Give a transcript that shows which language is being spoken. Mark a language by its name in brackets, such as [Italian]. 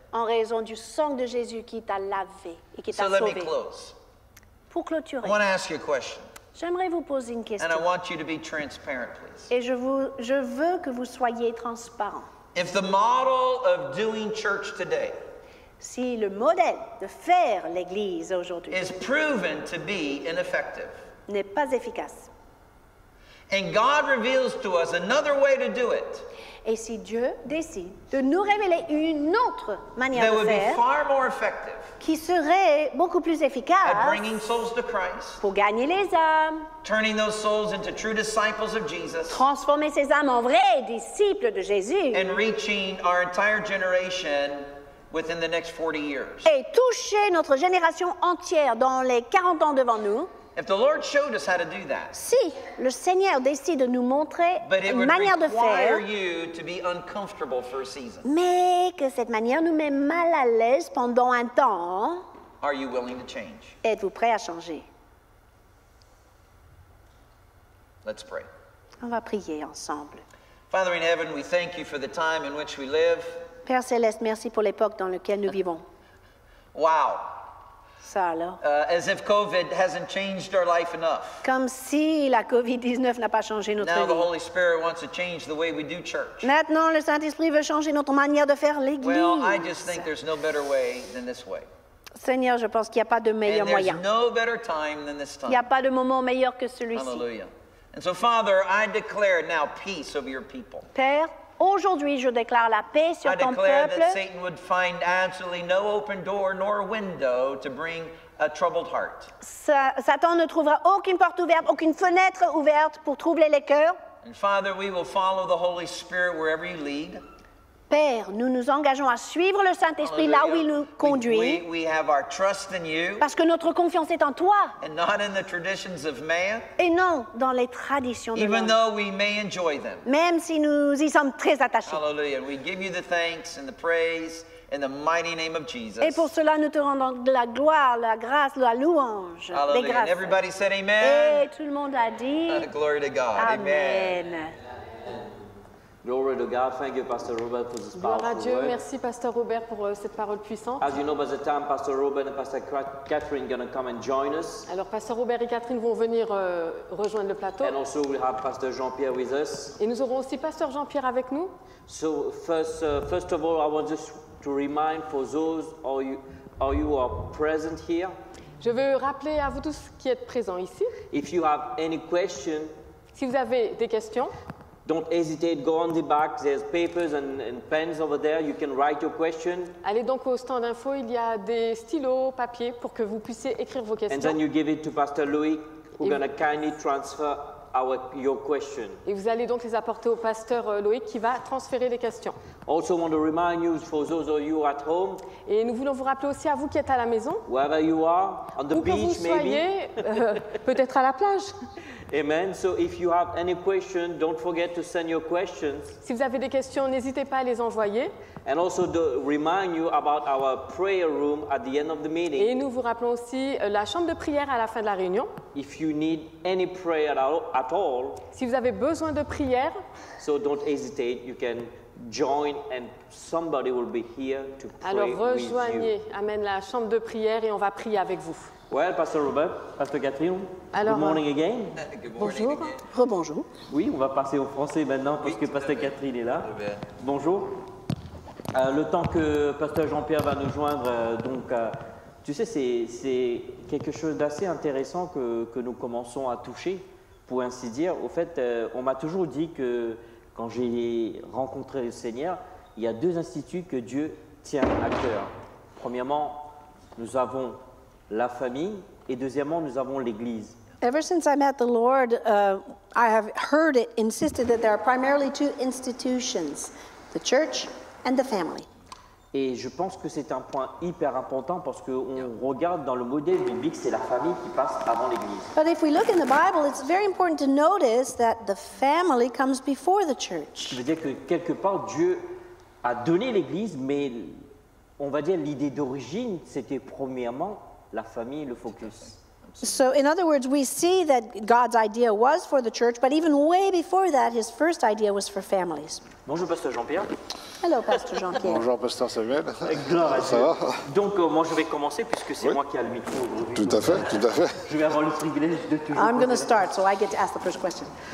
[French] En raison du sang de Jésus qui t'a lavé et qui t'a [English] so [French] sauvé. [English] Let me close. [French] Pour clôturer, [English] I want to ask you a question. [French] J'aimerais vous poser une question. [English] And I want you to be transparent, please. [French] Et je veux que vous soyez transparent. [English] If the model of doing church today [French] si le modèle de faire l'église aujourd'hui [English] is proven to be ineffective, [French] n'est pas efficace, [English] and God reveals to us another way to do it, [French] et si Dieu décide de nous révéler une autre manière [English] that [French] de [English] would [French] faire, [English] be far more effective, [French] qui serait beaucoup plus efficace, [English] at bringing souls to Christ, [French] pour gagner les âmes, [English] turning those souls into true disciples of Jesus, [French] transformer ces âmes en vrais disciples de Jésus, [English] and reaching our entire generation within the next 40 years. [French] Et toucher notre génération entière dans les 40 ans devant nous. [English] If the Lord showed us how to do that, [French] si le Seigneur décide de nous montrer une manière de faire, [English] you to be uncomfortable for a season. [French] Mais que cette manière nous met mal à l'aise pendant un temps, [English] are you willing to change? [French] Êtes-vous prêt à changer? [English] Let's pray. [French] On va prier ensemble. [English] Father in heaven, we thank you for the time in which we live. [French] Père céleste, merci pour l'époque dans laquelle nous vivons. [English] Wow. [French] Ça alors. [English] As if COVID hasn't changed our life enough. [French] Comme si la COVID-19 n'a pas changé notre [English] now [French] vie. [English] The Holy Spirit wants to change the way we do church. [French] Maintenant, le Saint-Esprit veut changer notre manière de faire l'église. [English] Well, I just think there's no better way than this way. [French] Seigneur, je pense qu'il n'y a pas de meilleur moyen. [English] And there's no better time than this time. [French] Il n'y a pas de moment meilleur que celui-ci. [English] Hallelujah. And so, Father, I declare now peace over your people. [French] Père, aujourd'hui, je déclare la paix sur ton peuple. [English] I declare that Satan would find absolutely no open door nor window to bring a troubled heart. [French] Satan ne trouvera aucune porte ouverte, aucune fenêtre ouverte pour troubler les cœurs. [English] And Father, we will follow the Holy Spirit wherever you lead. [French] Père, nous nous engageons à suivre le Saint-Esprit [English] Hallelujah. [French] Là où il nous conduit. [English] We have our trust in you, [French] parce que notre confiance est en toi. [English] And not in the traditions of man, [French] et non dans les traditions [English] even [French] de l'homme. [English] Though we may enjoy them. [French] Même si nous y sommes très attachés. [English] Hallelujah. We give you the thanks and the praise in the mighty name of Jesus. [French] Et pour cela, nous te rendons de la gloire, la grâce, la louange. [English] Hallelujah. [French] Les grâces. [English] And everybody said amen. [French] Et tout le monde a dit [English] glory to God. [French] Amen. Amen. [English] Glory to God. Thank you, Pastor Robert, for this powerful word. [French] Gloire à Dieu. Merci, Pastor Robert, pour cette parole puissante. [English] As you know, by the time Pastor Robert and Pastor Catherine are going to come and join us. [French] Alors, Pastor Robert et Catherine vont venir rejoindre le plateau. [English] And also, we have Pastor Jean-Pierre with us. [French] Et nous aurons aussi Pastor Jean-Pierre avec nous. [English] So, first of all, I want just to remind for those or you who are present here. [French] Je veux rappeler à vous tous qui êtes présents ici. [English] If you have any question. [French] Si vous avez des questions. [English] Don't hesitate, go on the back, there's papers and pens over there, you can write your question. [French] Allez donc au stand info, il y a des stylos, papier pour que vous puissiez écrire vos questions. [English] And then you give it to Pastor Louis, who's going to kindly transfer your question. [French] Et vous allez donc les apporter au Pasteur Loïc qui va transférer les questions. [English] Also want to remind you for those of you at home. [French] Et nous voulons vous rappeler aussi à vous qui êtes à la maison. [English] Wherever you are, on the [French] où [English] beach [French] que vous soyez, [English] maybe. [French] peut-être à la plage. [English] Amen. So if you have any question, don't forget to send your questions. [French] Si vous avez des questions, n'hésitez pas à les envoyer. [English] And also to remind you about our prayer room at the end of the meeting. [French] Et nous vous rappelons aussi la chambre de prière à la fin de la réunion. [English] If you need any prayer at all, [French] si vous avez besoin de prière, [English] so don't hesitate, you can join and somebody will be here to pray with you. [French] Alors rejoignez, amen, la chambre de prière et on va prier avec vous. [English] Well, Pastor Robert, Pastor Catherine, [French] alors, [English] good morning again. Good morning [French] bonjour. [English] Again. [French] Rebonjour. Oui, on va passer au français maintenant parce que Pastor Catherine est là. Bonjour. Le temps que Pasteur Jean-Pierre va nous joindre, tu sais, c'est quelque chose d'assez intéressant que nous commençons à toucher, pour ainsi dire. Au fait, on m'a toujours dit que quand j'ai rencontré le Seigneur, il y a deux instituts que Dieu tient à cœur. Premièrement, nous avons la famille, et deuxièmement, nous avons l'Église. [English] Ever since I met the Lord, I have heard it insisted that there are primarily two institutions, the church and the family. [French] Et je pense que c'est un point hyper important parce que on regarde dans le modèle biblique, c'est la famille qui passe avant l'église. [English] But if we look in the Bible, it's very important to notice that the family comes before the church. [French] Ce qui veut dire que quelque part Dieu a donné l'église, mais on va dire l'idée d'origine, c'était premièrement la famille, le focus. [English] So in other words, we see that God's idea was for the church, but even way before that, his first idea was for families. [French] Bonjour, Pasteur Jean-Pierre. [English] Hello, Pasteur Jean-Pierre. [French] Bonjour, Pasteur Samuel. Gloire à Dieu. Donc, moi, je vais commencer puisque c'est moi qui ai le micro. Tout à fait, tout à fait. Je vais avoir le privilège de toujours. [English] I'm going to start, so I get to ask the first question.